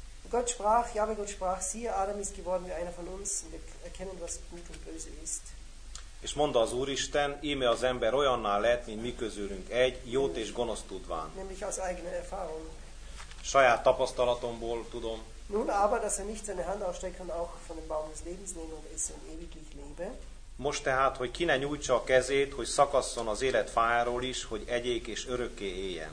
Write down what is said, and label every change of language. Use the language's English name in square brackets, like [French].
[German] Gott sprach, Jahwe Gott sprach, siehe, Adam ist geworden wie einer von uns, und wir erkennen, was gut und böse ist. [Hungarian] És mondta az Úristen, íme az ember olyanná lett, mint mi közülünk egy, jót és gonoszt tudván. [German] Nämlich aus eigener Erfahrung. [Hungarian] Saját tapasztalatomból tudom. [German] Nun aber, dass nicht seine Hand ausstrecke und auch von dem Baum des Lebens nehme und esse und ewiglich lebe. [Hungarian] Most tehát, hogy ki ne nyújtsa a kezét, hogy szakasszon az élet fájáról is, hogy egyék és örökké éljen.